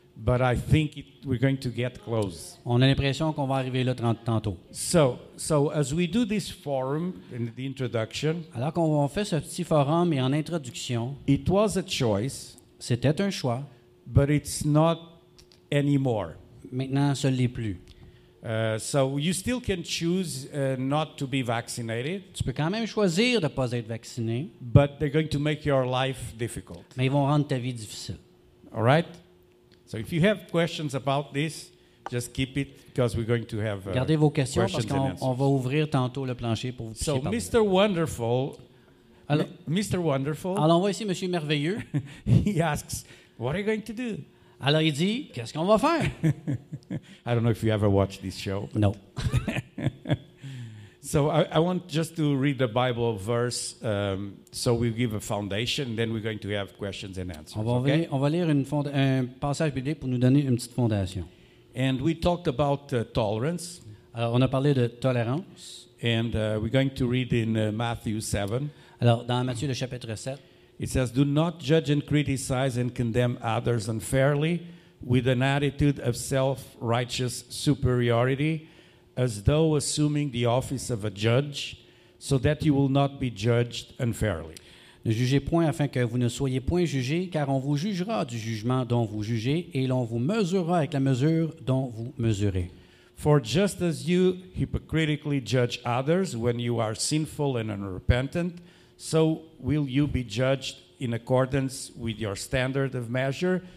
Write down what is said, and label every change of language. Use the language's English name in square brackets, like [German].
[English] But I think we're going to get close. [French] On a l'impression qu'on va arriver là tantôt. [English] So as we do this forum in the introduction. [French] Alors qu'on fait ce petit forum et en introduction. [English] It was a choice. [French] C'était un choix. [English] But it's not anymore. [French] Maintenant, ce n'est plus. [English] So you still can choose not to be vaccinated. [French] Tu peux quand même choisir de pas être vacciné. [English] But they're going to make your life difficult. [French] Mais ils vont rendre ta vie difficile. [English] All right. So if you have questions about this, just keep it because we're going to have [French] gardez vos questions parce qu'on va ouvrir tantôt le plancher pour vous [English] so [French] parler. Mr. Wonderful. Alors, Mr. Wonderful. Alors on voit ici monsieur merveilleux. [English] He asks, what are you going to do? [French] Alors il dit, qu'est-ce qu'on va faire? [English] I don't know if you ever watched this show. No. So I want just to read the Bible verse so we give a foundation and then we're going to have questions and answers. [French] On va lire un passage biblique pour nous donner une petite fondation. [English] And we talked about tolerance. [French] Alors, on a parlé de tolérance. [English] And we're going to read in Matthew 7. [French] Alors dans Matthieu le chapitre 7. [English] It says, do not judge and criticize and condemn others unfairly, with an attitude of self-righteous superiority, as though assuming the office of a judge, so that you will not be judged unfairly. [French] Ne jugez point afin que vous ne soyez point jugés, car on vous jugera du jugement dont vous jugez, et l'on vous mesurera avec la mesure dont vous mesurez. [English] For just as you hypocritically judge others when you are sinful and unrepentant, so will you be judged in accordance with your standard of measure.